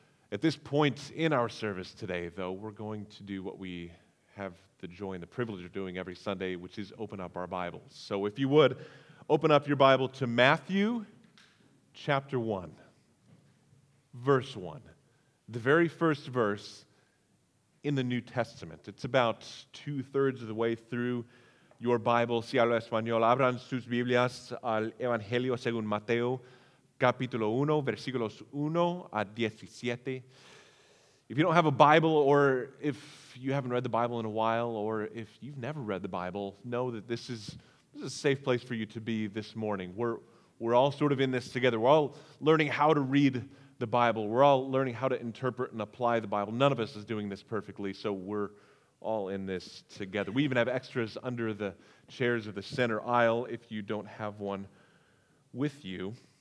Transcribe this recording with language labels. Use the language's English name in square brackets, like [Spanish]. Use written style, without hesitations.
[English] At this point in our service today, though, we're going to do what we have the joy and the privilege of doing every Sunday, which is open up our Bibles. So if you would, open up your Bible to Matthew chapter 1, verse 1, the very first verse in the New Testament. It's about two-thirds of the way through your Bible. [Spanish] Si habla español, abran sus Biblias al Evangelio según Mateo, capítulo 1, versículos 1 a 17. [English] If you don't have a Bible, or if you haven't read the Bible in a while, or if you've never read the Bible, know that this is a safe place for you to be this morning. We're all sort of in this together. We're all learning how to read the Bible. We're all learning how to interpret and apply the Bible. None of us is doing this perfectly, so we're all in this together. We even have extras under the chairs of the center aisle if you don't have one with you.